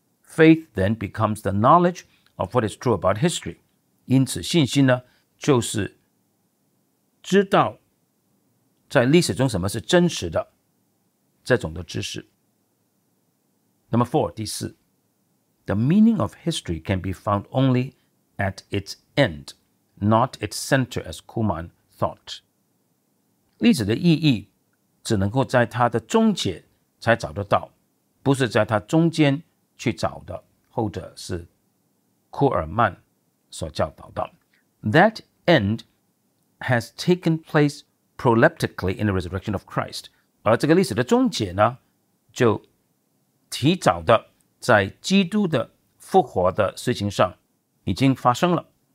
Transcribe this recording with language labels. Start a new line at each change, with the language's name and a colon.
English: Faith then becomes the knowledge of what is true about history.
Chinese: 因此信心呢，就是知道在历史中什么是真实的，这种的知识。
English: Number four,
Chinese: 第四。
English: The meaning of history can be found only at its end, not its center as Kuhlmann thought.
Chinese: 历史的意义只能够在它的终结才找得到，不是在它中间去找的，后者是库尔曼所教导的。
English: That end has taken place proleptically in the resurrection of Christ，
Chinese: 而这个历史的终结呢，就提早的在基督的复活的事情上已经发生了。